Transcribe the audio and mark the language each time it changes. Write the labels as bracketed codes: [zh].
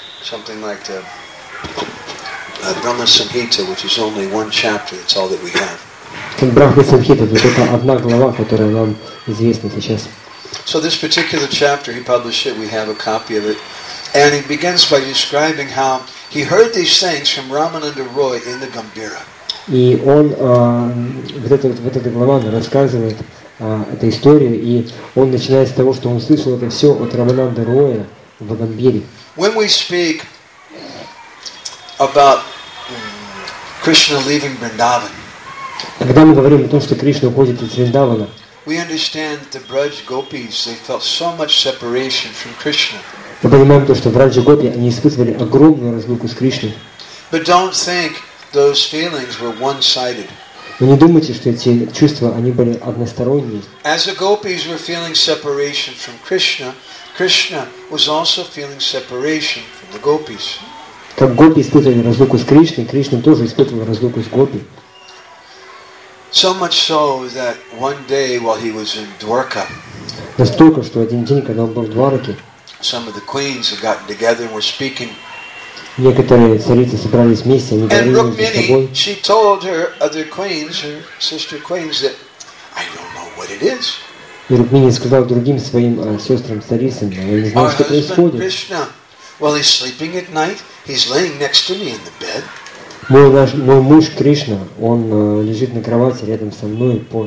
[en] Something like the Brahma Samhita, which is only one chapter. It's all that we have. [ru] Брахма Самхита, вот это одна глава, которая нам известна сейчас. [en] So this particular chapter, he published it, we have a copy of it. And he begins by describing how he heard these things from Ramananda Roy in the Gambira. [ru] И он, вот эта глава рассказывает эту историю, и он начинает с того, что он слышал это все от Рамананда Роя в Гамбире. [en] When we speak about Krishna leaving Vrindavan, [ru] когда мы говорим о том, что Кришна уходит из Вриндавана, [en] we understand the Braj Gopis, they felt so much separation from Krishna. [ru] Мы понимаем то, что Брадж Гопи, они испытывали огромную разлуку с Кришной. [en] But don't think those feelings were one-sided. [ru] Но не думайте, что эти чувства, они были односторонние. [en] As the Gopis were feeling separation from Krishna, Krishna was also feeling separation from the Gopis. [ru] Как Гопи испытывали разлуку с Кришной, Кришна тоже испытывал разлуку с Гопи. [en] So much so that one day while he was in Dwarka, [ru] настолько, что один день, когда он был в Двараке, [en] some of the queens had gotten together and were speaking. [ru] Некоторые царицы собрались вместе, они говорили между собой. [en] And Rukmini, she told her other queens, her sister queens, that I don't know what it is. [ru] И Рукмини сказал другим своим сестрам царицам, я не знаю, что происходит. [en] Our husband Krishna, while he's sleeping at night, he's laying next to me in the bed. [ru] Мой муж Кришна, он лежит на кровати рядом со мной.